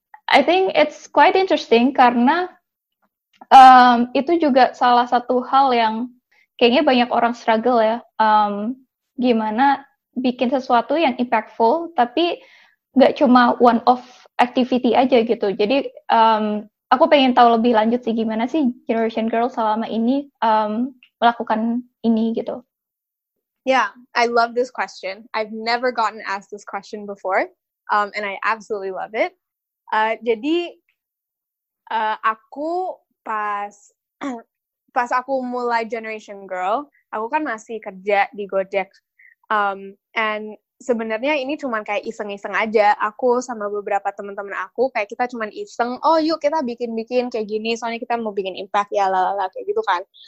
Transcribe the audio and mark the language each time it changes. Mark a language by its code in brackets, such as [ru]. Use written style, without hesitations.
[en] I think it's quite interesting [id] karena itu juga salah satu hal yang kayaknya banyak orang struggle ya. Gimana bikin sesuatu yang impactful tapi nggak cuma one off activity aja gitu. Jadi aku pengen tahu lebih lanjut sih gimana sih Generation Girl selama ini melakukan ini gitu. [en] Yeah, I love this question. I've never gotten asked this question before, and I absolutely love it. [id] Jadi, aku pas aku mulai Generation Girl, aku kan masih kerja di Gojek. And sebenarnya ini cuman kayak iseng-iseng aja. Aku sama beberapa teman-teman aku, kayak kita cuman iseng, oh yuk kita bikin-bikin kayak gini, soalnya kita mau bikin impact, ya lalala, kayak gitu kan.